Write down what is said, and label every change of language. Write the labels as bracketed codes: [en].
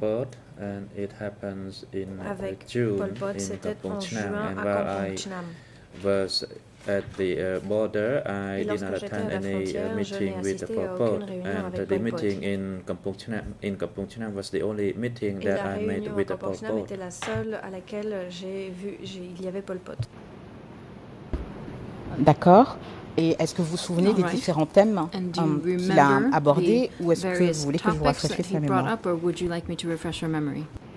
[fr] avec Pol Pot, c'était en juin à Kampong-Chnam. [en] At the border, I did not attend any meeting with the Pol Pot, and the meeting in Kampong-Chnam was the only meeting that I made with the Pol Pot. [fr] Était la seule à laquelle j'ai vu il y avait Pol Pot. D'accord. Et est-ce que vous vous souvenez des différents thèmes qu'il a abordés, ou est-ce que vous voulez que je vous rafraîchisse la mémoire? [en] Brought up, or would you like me to refresh your memory?